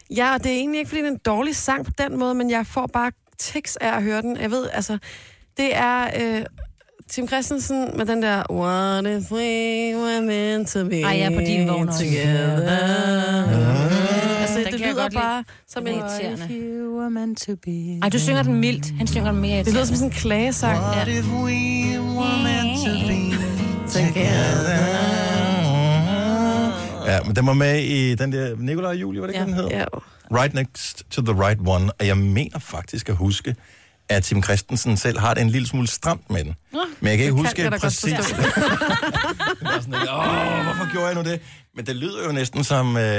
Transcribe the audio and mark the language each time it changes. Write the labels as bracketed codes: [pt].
[da] Ja, og det er egentlig ikke, fordi det er en dårlig sang på den måde, men jeg får bare tics af at høre den. Jeg ved, altså, det er Tim Christensen med den der [en] What if we were meant to be [da] ja, på din vogn [en] together. [da] Altså, det lyder bare som en... [en] What if you were meant to be. [da] Ej, du synger den mildt. Han synger den mere. Det lyder som sådan en klagesang. [en] What if we were meant to be together. [da] Ja, men den var med i den der Nicolai og Julie, var det ja. Den hed? Ja. [en] Right Next to the Right One. [da] Og jeg mener faktisk at huske, at Tim Christensen selv har det en lille smule stramt med den. Ja, men jeg kan ikke huske kan præcis... Det er sådan, at, hvorfor gjorde jeg nu det? Men det lyder jo næsten som...